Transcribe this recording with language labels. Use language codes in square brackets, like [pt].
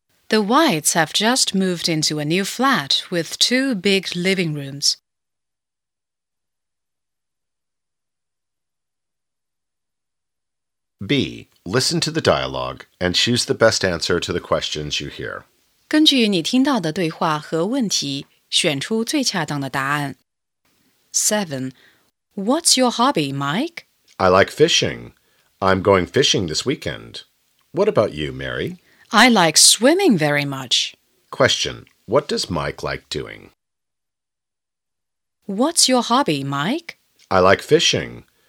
[en] The Whites have just moved into a new flat with two big living rooms. 7. Listen to the dialogue and choose the best answer to the questions you hear. [zh] 根据你听到的对话和问题，选出最恰当的答案。 [en] 7. What's your hobby, Mike? I like fishing. I'm going fishing this weekend. What about you, Mary? I like swimming very much. Question: What does Mike like doing? What's your hobby, Mike? I like fishing.